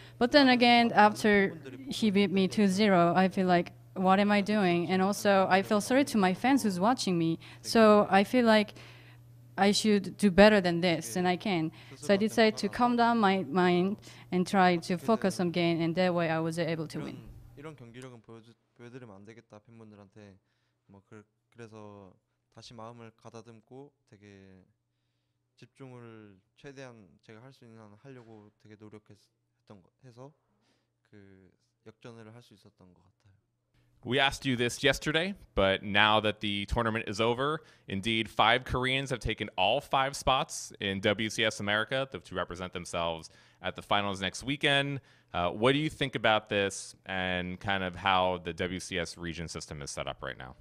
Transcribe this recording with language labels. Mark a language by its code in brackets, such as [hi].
[en] But then again, after he beat me 2-0, I feel like, what am I doing? And also, I feel sorry to my fans who's watching me. So I feel like I should do better than this, and I can. So I decided to calm down my mind and try to focus on game, and that way I was able to win. [ko] 이런 경기력은 보여드리면 안 되겠다 팬분들한테 뭐 그래서 다시 마음을 가다듬고 되게 집중을 최대한 제가 할 수 있는 한 하려고 되게 노력했던 해서 그 역전을 할 수 있었던 것 같아요. [en] We asked you this yesterday, but now that the tournament is over, indeed, five Koreans have taken all five spots in WCS America to represent themselves at the finals next weekend. What do you think about this and kind of how the WCS region system is set up right now?